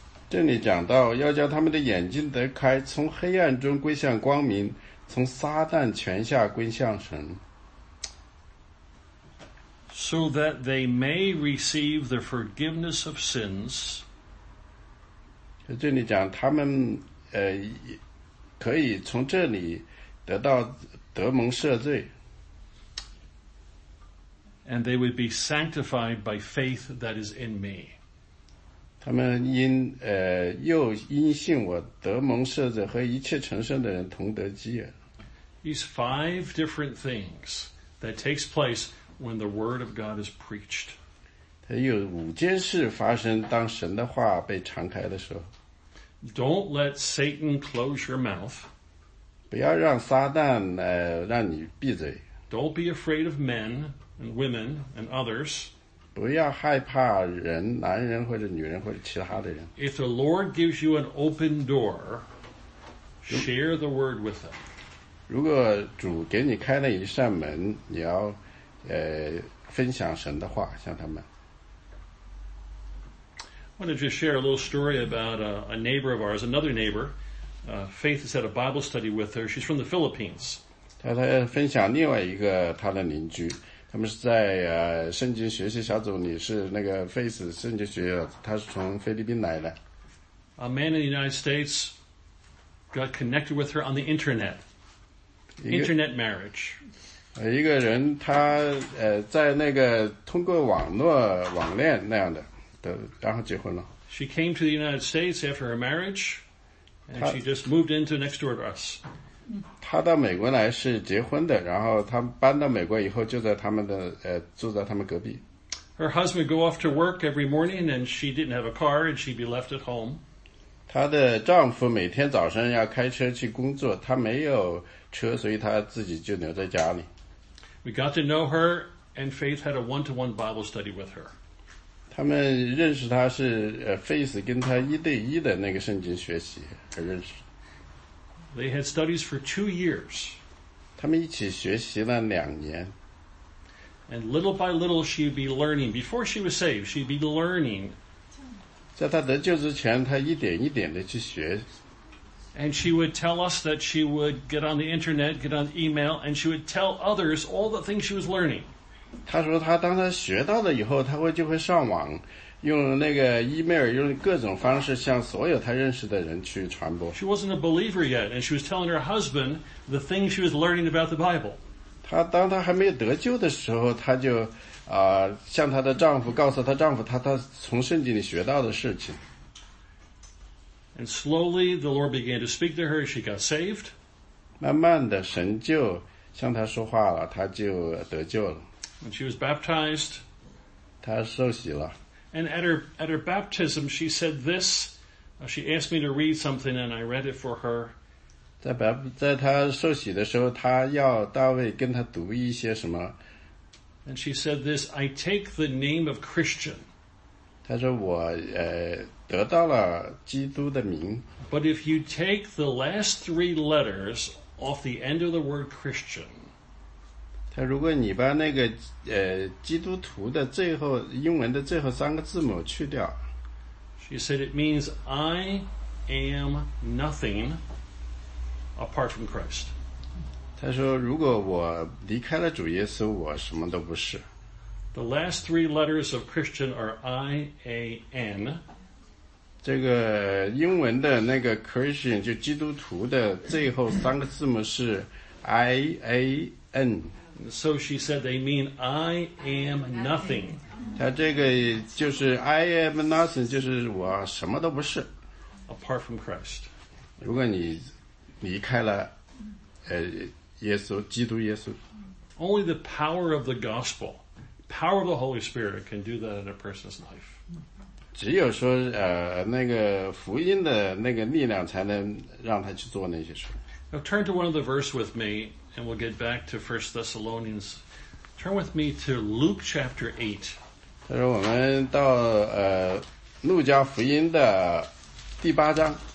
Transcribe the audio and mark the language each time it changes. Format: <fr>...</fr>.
<zh>这里讲到要叫他们的眼睛得开，从黑暗中归向光明，从撒旦权下归向神。</zh> <en>So that they may receive the forgiveness of sins.</en> <zh>这里讲他们可以从这里得到得蒙赦罪。</zh> <en>And they would be sanctified by faith that is in me.</en> <zh>他们因又因信我得蒙赦罪和一切成圣的人同得基业。</zh> <en>These five different things that takes place when the word of God is preached.</en> <zh>他有五件事发生当神的话被敞开的时候。</zh> <en>Don't let Satan close your mouth.</en> <zh>不要让撒旦让你闭嘴。</zh> <en>Don't be afraid of men and women and others.</en> <zh>不要害怕人，男人或者女人或者其他的人。</zh> <en>If the Lord gives you an open door, share the word with them.</en> <zh>如果主给你开了一扇门，你要分享神的话向他们。</zh> <en>I want to just share a little story about a neighbor of ours, another neighbor. Faith has had a Bible study with her. She's from the Philippines.</en> <zh>她分享另外一个她的邻居，他们是在圣经学习小组里，是那个 Faith 圣经学校，她是从菲律宾来的。</zh> <en>A man in the United States got connected with her on the internet. Internet marriage.</en> <zh>一个人他在那个通过网恋那样的。然后结婚了。</zh> <en>She came to the United States after her marriage, and she just moved into next door to us.</en> <zh>她到美国来是结婚的，然后她搬到美国以后就在他们的住在他们隔壁。</zh> <en>Her husband go off to work every morning, and she didn't have a car, and she'd be left at home.</en> <zh>她的丈夫每天早上要开车去工作，她没有车，所以她自己就留在家里。</zh> <en>We got to know her, and Faith had a one-to-one Bible study with her.</en> <zh>他们认识他是Faith 跟他一对一的那个圣经学习而认识。</zh> <en>They had studies for 2 years.</en> <zh>他们一起学习了2年。</zh> <en>And little by little she'd be learning. Before she was saved, she'd be learning.</en> <zh>在他得救之前，他一点一点的去学。</zh> <en>And she would tell us that she would get on the internet, get on email, and she would tell others all the things she was learning.</en> <zh>她说她当她学到了以后，她会就会上网，用那个 email， 用各种方式向所有她认识的人去传播。</zh> <en>She wasn't a believer yet, and she was telling her husband the things she was learning about the Bible.</en> <zh>她当她还没有得救的时候，她就啊、向她的丈夫告诉她丈夫她从圣经里学到的事情。</zh> <en>And slowly the Lord began to speak to her and she got saved.</en> <zh>慢慢的神就向她说话了，她就得救了。</zh> <en>And she was baptized.</en> <zh>她受洗了。</zh> <en>And at her baptism, she said this. She asked me to read something and I read it for her.</en> <zh>在她受洗的时候，她要大卫跟她读一些什么。</zh> <en>And she said this, I take the name of Christian.</en> <zh>她说我得到了基督的名。</zh> <en>But if you take the last three letters off the end of the word Christian,</en> <zh>他如果你把那个基督徒的最后英文的最后三个字母去掉，</zh> <en>she said it means I am nothing apart from Christ.</en> <zh>他说如果我离开了主耶稣，我什么都不是。</zh> <en>The last three letters of Christian are I-A-N.</en> <zh>这个英文的那个 Christian 就基督徒的最后三个字母是 I-A-N.</zh> <en>So she said they mean I am nothing.</en> <zh>他这个就是</zh> <en>I am nothing,</en> <zh>就是我什么都不是。</zh> <en>Apart from Christ.</en> <zh>如果你离开了耶稣基督耶稣。</zh> <en>Only the power of the gospel, power of the Holy Spirit can do that in a person's life.</en> <zh>只有说那个福音的那个力量才能让他去做那些事。</zh> <en>Now turn to one of the verse with me, and we'll get back to 1 Thessalonians. Turn with me to Luke chapter 8.</en> <zh>他说我们到路加福音的第八章。</zh>